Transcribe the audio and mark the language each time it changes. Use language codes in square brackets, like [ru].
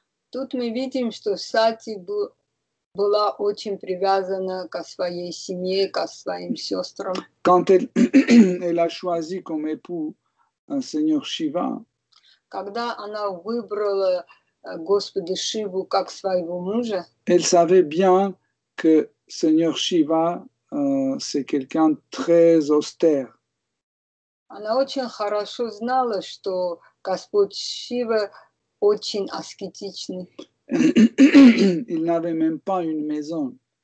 [ru] Тут мы видим, что Сати была очень привязана к своей семье, к своим сестрам. [fr] Quand elle, elle a choisi comme époux un seigneur Shiva. [ru] Когда она выбрала Господа Шиву как своего мужа. [fr] Elle savait bien que seigneur Shiva c'est quelqu'un très austère. [ru] Она очень хорошо знала, что Господь Шива очень аскетичный. [fr] Il n'avait même pas une maison.